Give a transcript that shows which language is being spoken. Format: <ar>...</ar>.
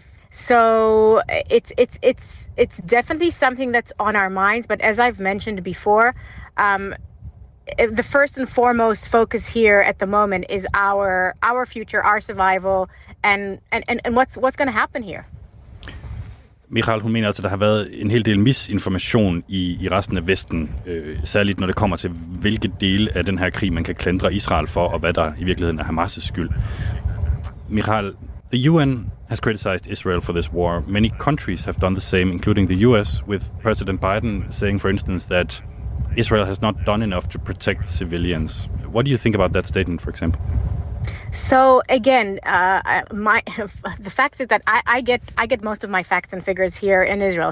<en>So it's definitely something that's on our minds. But as I've mentioned before, the first and foremost focus here at the moment is our future, our survival, and what's going to happen here.</en> <da>Michael, hun mener altså, at der har været en hel del misinformation i resten af Vesten, særligt når det kommer til, hvilke dele af den her krig, man kan klandre Israel for, og hvad der i virkeligheden er Hamas' skyld.</da> <en>Michael, the UN has criticized Israel for this war. Many countries have done the same, including the US, with President Biden saying, for instance, that Israel has not done enough to protect civilians. What do you think about that statement, for example? So again, the fact is that I get most of my facts and figures here in Israel.</en>